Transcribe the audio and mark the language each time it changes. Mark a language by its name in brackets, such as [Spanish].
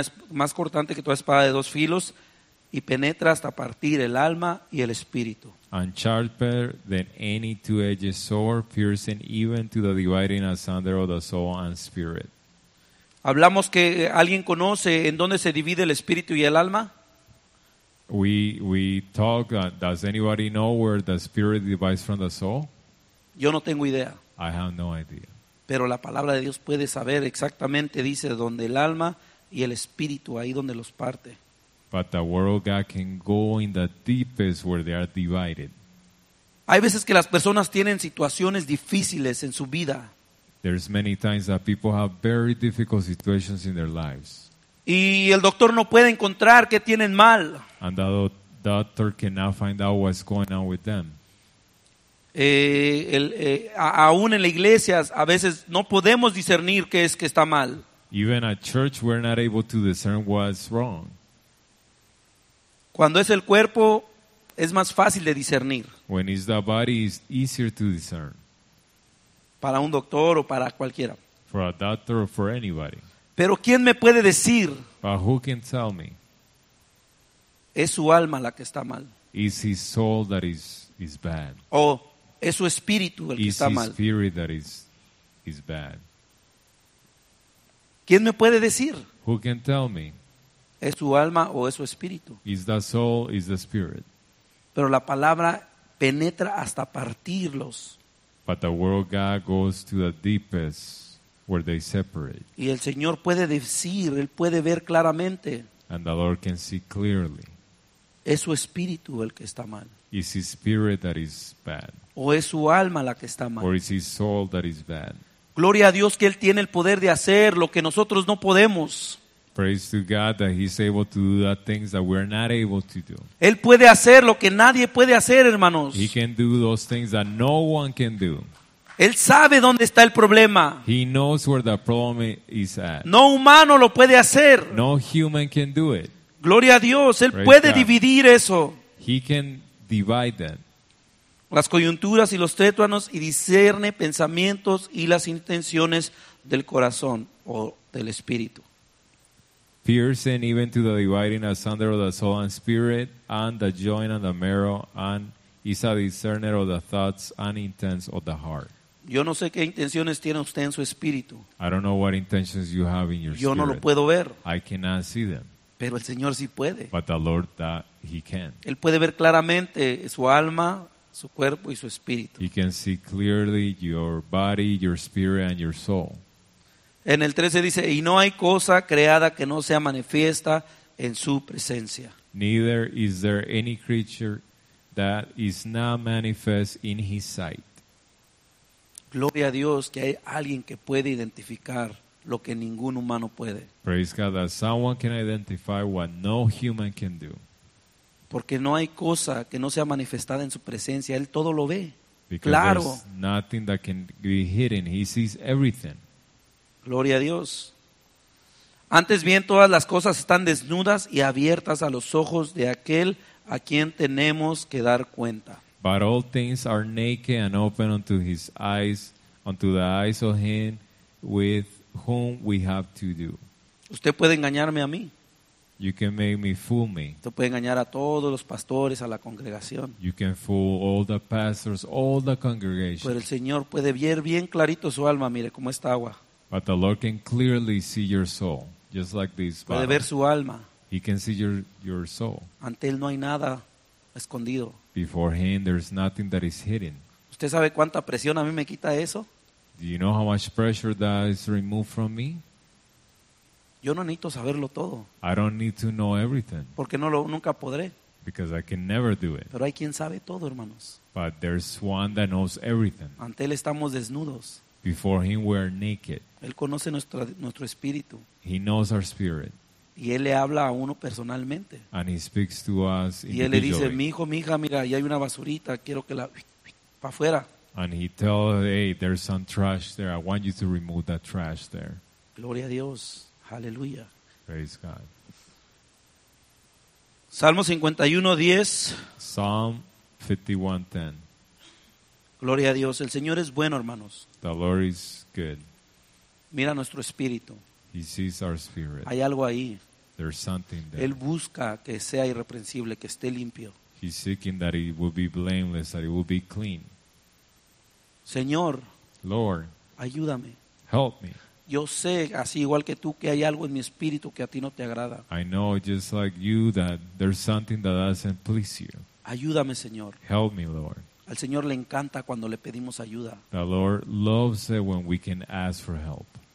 [Spanish] Más cortante que toda espada de dos filos y penetra hasta partir el alma y el espíritu. [English] And sharper than any two-edged sword, piercing even to the dividing asunder of the soul and spirit. [Spanish] Hablamos que alguien conoce en dónde se divide el espíritu y el alma. [English] We talk. Does anybody know where the spirit divides from the soul? [Spanish] Yo no tengo idea. [English] I have no idea. [Spanish] Pero la palabra de Dios puede saber exactamente, dice, donde el alma y el espíritu, ahí donde los parte. [English] But the word of God can go in the deepest where they are divided. [Spanish] Hay veces que las personas tienen situaciones difíciles en su vida. [English] There's many times that people have very difficult situations in their lives. [Spanish] Y el doctor no puede encontrar qué tienen mal. [English] And the doctor cannot find out what's going on with them. [Spanish] Aún en la iglesia a veces no podemos discernir qué es que está mal. [English] Even at church we're not able to discern what's wrong. [Spanish] Cuando es el cuerpo es más fácil de discernir. [English] When it's the body it's easier to discern. [Spanish] Para un doctor o para cualquiera. [English] For a doctor or for anybody. [Spanish] Pero ¿quién me puede decir? [English] But who can tell me? [Spanish] Es su alma la que está mal. [English] Is his soul that is bad. [Spanish] O es su espíritu el que [English] is [Spanish] está mal. [English] His spirit that is bad. [Spanish] ¿Quién me puede decir? [English] Who can tell me? [Spanish] ¿Es su alma o es su espíritu? [English] Is the soul, is the spirit. [Spanish] Pero la palabra penetra hasta partirlos. [English] But the word of God goes to the deepest where they separate. [Spanish] Y el Señor puede decir, él puede ver claramente. [English] And the Lord can see clearly. [Spanish] ¿Es su espíritu el que está mal? [English] Is his spirit that is bad. [Spanish] ¿O es su alma la que está mal? [English] Or is his soul that is bad. [Spanish] Gloria a Dios que Él tiene el poder de hacer lo que nosotros no podemos. [English] Praise to God that He's able to do the things that we're not able to do. [Spanish] Él puede hacer lo que nadie puede hacer, hermanos. [English] He can do those things that no one can do. [Spanish] Él sabe dónde está el problema. [English] He knows where the problem is at. [Spanish] No humano lo puede hacer. [English] No human can do it. [Spanish] Gloria a Dios, Él [English] Praise [Spanish] puede [English] God. [Spanish] Dividir eso. [English] He can divide that. [Spanish] Las coyunturas y los tétuanos y discierne pensamientos y las intenciones del corazón o del espíritu. [English] Piercing even to the dividing asunder of the soul and spirit, and the joint and the marrow, and is a discerner of the thoughts and intents of the heart. [Spanish] Yo no sé qué intenciones tiene usted en su espíritu. [English] I don't know what intentions you have in your spirit. [Spanish] Yo no lo puedo ver. [English] I cannot see them. [Spanish] Pero el Señor sí puede. [English] But the Lord, that he can. [Spanish] Él puede ver claramente su alma, su cuerpo y su espíritu. [English] He can see clearly your body, your spirit and your soul. [Spanish] En el 13 dice, y no hay cosa creada que no sea manifiesta en su presencia. [English] Neither is there any creature that is not manifest in his sight. [Spanish] Gloria a Dios que hay alguien que puede identificar lo que ningún humano puede. [English] Praise God that someone can identify what no human can do. [Spanish] Porque no hay cosa que no sea manifestada en su presencia. Él todo lo ve. [English] Because [Spanish] claro. [English] There's nothing that can be hidden. He sees everything. [Spanish] Gloria a Dios. Antes bien, todas las cosas están desnudas y abiertas a los ojos de aquel a quien tenemos que dar cuenta. [English] But all things are naked and open unto his eyes, unto the eyes of him with whom we have to do. [Spanish] Usted puede engañarme a mí. [English] You can make me fool me. [Spanish] Usted puede engañar a todos los pastores, a la congregación. [English] You can fool all the pastors, all the congregation. [Spanish] Pero el Señor puede ver bien clarito su alma, mire cómo está agua. [English] But the Lord can clearly see your soul, just like this bottle. [Spanish] Puede ver su alma. [English] He can see your soul. [Spanish] Ante él no hay nada escondido. [English] Before him, there's nothing that is hidden. [Spanish] ¿Usted sabe cuánta presión a mí me quita eso? [English] Do you know how much pressure that is removed from me? [Spanish] Yo no necesito saberlo todo. [English] I don't need to know everything. [Spanish] Porque no lo nunca podré. [English] Because I can never do it. [Spanish] Pero hay quien sabe todo, hermanos. [English] But there's one that knows everything. [Spanish] Ante él estamos desnudos. [English] Before him, we are naked. [Spanish] Él conoce nuestro espíritu. [English] He knows our spirit. [Spanish] Y él le habla a uno personalmente. [English] And he speaks to us. [Spanish] Y él le dice, mi hijo, mi hija, mira, ahí hay una basurita, quiero que la pa afuera. [English] And he tells, hey, there's some trash there. I want you to remove that trash there. [Spanish] Gloria a Dios. Aleluya. [English] Praise God. [Spanish] Salmo 51:10. [English] Psalm 51:10. [Spanish] Gloria a Dios. El Señor es bueno, hermanos. [English] The Lord is good. [Spanish] Mira nuestro espíritu. [English] He sees our spirit. [Spanish] Hay algo ahí. [English] There's something there. [Spanish] Él busca que sea irreprensible, que esté limpio. [English] He's seeking that it will be blameless, that it will be clean. [Spanish] Señor, [English] Lord, [Spanish] ayúdame. [English] Help me. [Spanish] Yo sé, así igual que tú, que hay algo en mi espíritu que a ti no te agrada. [English] I know just like you that there's something that doesn't please you. [Spanish] Ayúdame, Señor. [English] Help me, Lord. [Spanish] Al Señor le encanta cuando le pedimos ayuda. [English] The Lord loves it when we can ask for help.